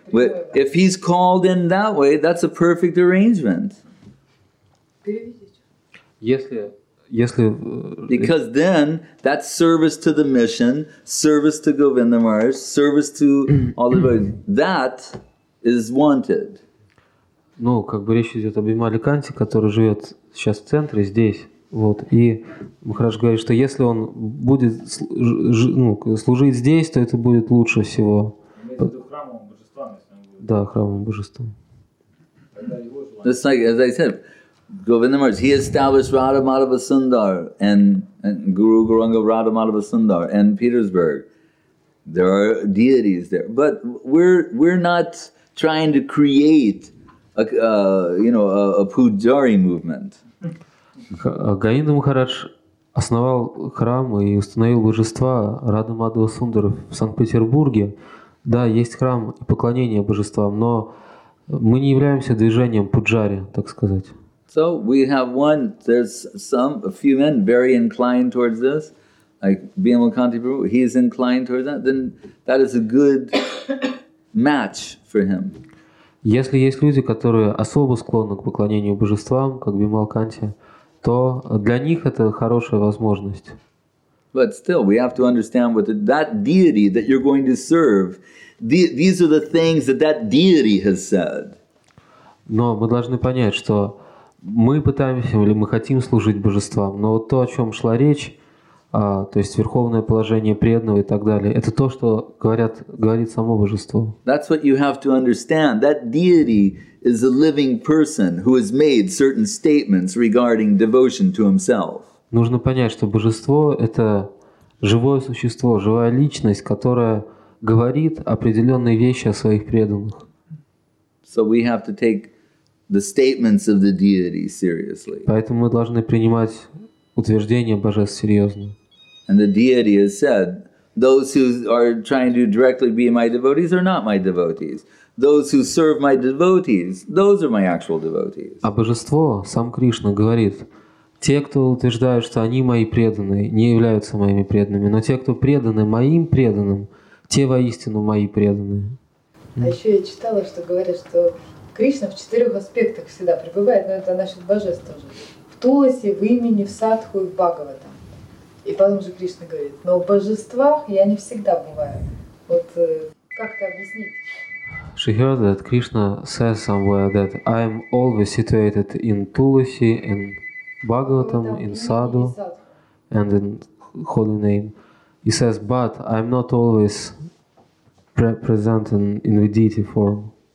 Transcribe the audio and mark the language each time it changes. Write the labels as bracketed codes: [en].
[en] But if he's called in that way, that's a perfect arrangement. [ru] Если [en] because then that's service to the mission, service to Govinda Maharaj, service to all the devotees, that is wanted. [ru] Ну, как бы речь идет о Бимале Канте, который живет сейчас в центре, здесь, вот. И Махарадж говорит, что если он будет служить здесь, то это будет лучше всего. Под храмовым божеством, если он будет. Да, храмовым божеством. [en] Just like as I said. Govinda Maharaj, he established Radha Madhava Sundar and Guru Gauranga Radha Madhava Sundar and Petersburg. There are deities there, but we're not trying to create a pujari movement. [ru] Govinda Maharaj основал храм и установил божества Радха Мадхава Сундара в Санкт-Петербурге. Да, есть храм и поклонение божествам, но мы не являемся движением пуджари, так сказать. [en] So we have one, there's some, a few men very inclined towards this, like Bimal Kanti Prabhu, he's inclined towards that, then that is a good match for him. [ru] Если есть люди, которые особо склонны к поклонению божествам, как Бимал Канти, то для них это хорошая возможность. [en] But still, we have to understand what that deity that you're going to serve, these are the things that deity has said. [ru] Но мы должны понять, что мы пытаемся или мы хотим служить божествам, но вот то, о чем шла речь, то есть верховное положение преданного и так далее, это то, что говорит само божество. [en] That's what you have to understand. That deity is a living person who has made certain statements regarding devotion to himself. [ru] Нужно понять, что божество – это живое существо, живая личность, которая говорит определенные вещи о своих преданных. [en] So we have to take the statements of the deity seriously. [ru] Поэтому мы должны принимать утверждения божеств серьезно. [en] And the deity has said, those who are trying to directly be my devotees are not my devotees. Those who serve my devotees, those are my actual devotees. [ru] А божество, сам Кришна, говорит, те, кто утверждают, что они мои преданные, не являются моими преданными, но те, кто преданы моим преданным, те воистину мои преданные. А еще я читала, что говорят, что Кришна в четырех аспектах всегда пребывает, но это насчет божества уже. В Туласе, в имени, в садху и в Бхагаватам. И потом же Кришна говорит, но в божествах я не всегда бываю. Вот как это объяснить? [en] She heard that Krishna says somewhere that I am always situated in Tulasi, in Bhagavatam, in Sadhu, and in holy name. He says, but I'm not always present in the deity form.